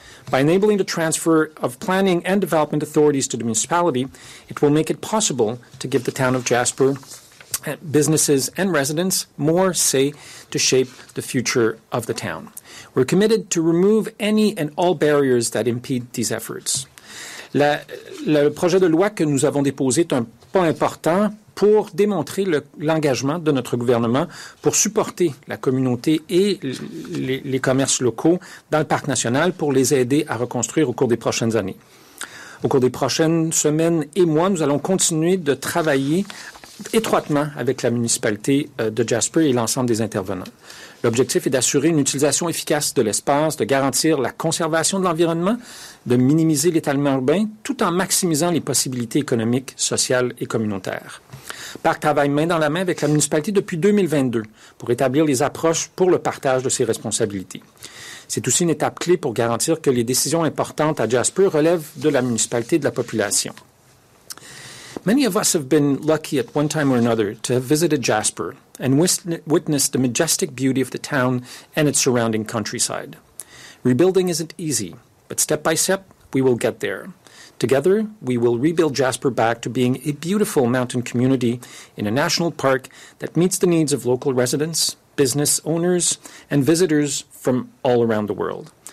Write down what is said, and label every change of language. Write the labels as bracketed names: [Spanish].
[English] By enabling the transfer of planning and development authorities to the municipality, it will make it possible to give the town of Jasper businesses and residents more say to shape the future of the town. We're committed to remove any and all barriers that impede these efforts. [French] Le projet de loi que nous avons déposé est un pas important pour démontrer l'engagement de notre gouvernement pour supporter la communauté et les commerces locaux dans le parc national pour les aider à reconstruire au cours des prochaines années. Au cours des prochaines semaines et mois, nous allons continuer de travailler étroitement avec la municipalité de Jasper et l'ensemble des intervenants. L'objectif est d'assurer une utilisation efficace de l'espace, de garantir la conservation de l'environnement, de minimiser l'étalement urbain, tout en maximisant les possibilités économiques, sociales et communautaires. Parc travaille main dans la main avec la municipalité depuis 2022 pour établir les approches pour le partage de ses responsabilités. C'est aussi une étape clé pour garantir que les décisions importantes à Jasper relèvent de la municipalité et de la population. [English] Many of us have been lucky at one time or another to have visited Jasper and witnessed the majestic beauty of the town and its surrounding countryside. Rebuilding isn't easy, but step by step, we will get there. Together, we will rebuild Jasper back to being a beautiful mountain community in a national park that meets the needs of local residents, business owners, and visitors from all around the world.